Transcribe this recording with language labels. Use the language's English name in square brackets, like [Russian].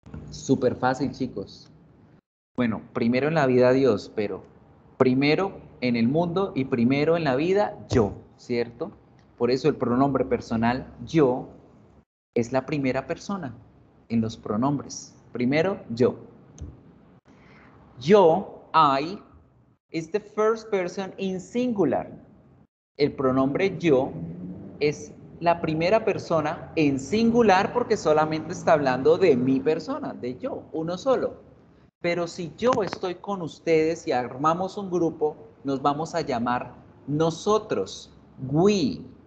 [Spanish] Súper fácil, chicos. Bueno, primero en la vida Dios, pero primero en el mundo y primero en la vida yo, ¿cierto? Por eso el pronombre personal yo es la primera persona en los pronombres. Primero yo. [English] Yo, I, is the first person in singular. [Spanish] El pronombre yo es la primera persona en singular porque solamente está hablando de mi persona, de yo, uno solo. Pero si yo estoy con ustedes y armamos un grupo, nos vamos a llamar nosotros, we.